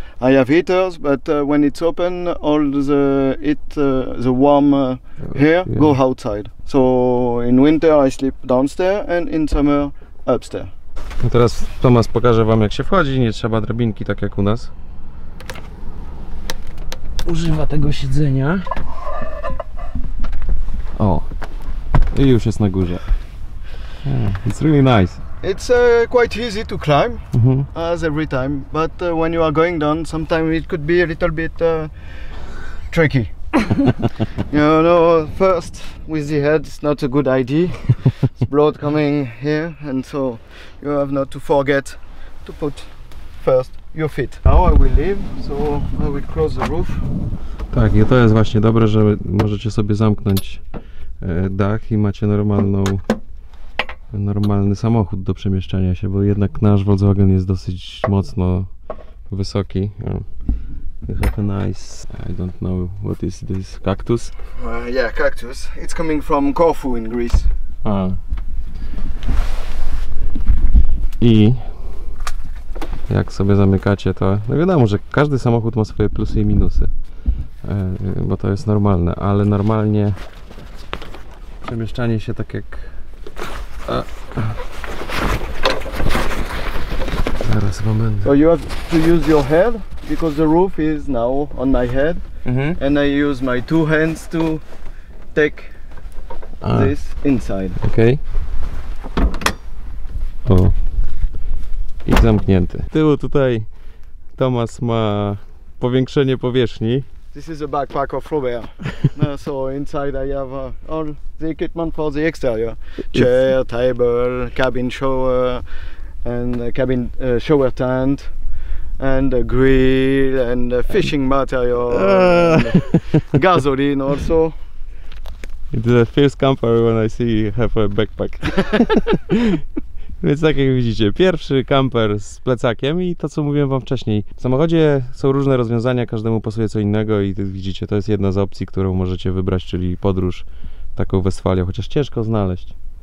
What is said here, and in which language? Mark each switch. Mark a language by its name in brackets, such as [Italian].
[English] I have heaters, but when it's open, all the heat, the warm air go outside. So in winter I sleep downstairs and in summer upstairs. [Polish] No teraz Tomasz pokaże wam, jak się wchodzi, nie trzeba drabinki, tak jak u nas. Używa tego siedzenia. O, i już jest na górze. [English] It's really nice. It's quite easy to climb, as every time, but when you are going down, sometimes it could be a little bit tricky. You know, first, with the head, it's not a good idea. It's blood coming here, and so you have not to forget to put first your feet. Now I will leave, so I will close the roof. [Polish] Tak, i to jest właśnie dobre, że możecie sobie zamknąć dach i macie normalny samochód do przemieszczania się, bo jednak nasz Volkswagen jest dosyć mocno wysoki. [English] We have a nice, I don't know what is this, cactus? Yeah, cactus. It's coming from Corfu in Greece. [Polish] I jak sobie zamykacie to, no wiadomo, że każdy samochód ma swoje plusy i minusy, bo to jest normalne, ale normalnie przemieszczanie się tak jak teraz moment. [English] So you have to use your head because the roof is now on my head, and I use my two hands to take this inside. Okay. [Polish] O. I zamknięty. Tyłu tutaj Tomasz ma powiększenie powierzchni. [English] This is a backpack of Robert. So inside I have all the equipment for the exterior. Chair, table, cabin shower, and cabin shower tent, and a grill, and a fishing material, and gasoline also. It's the first camper when I see you have a backpack. [Polish] Więc tak jak widzicie, pierwszy kamper z plecakiem i to, co mówiłem wam wcześniej. W samochodzie są różne rozwiązania, każdemu pasuje co innego i widzicie, to jest jedna z opcji, którą możecie wybrać, czyli podróż taką Westfalią, chociaż ciężko znaleźć.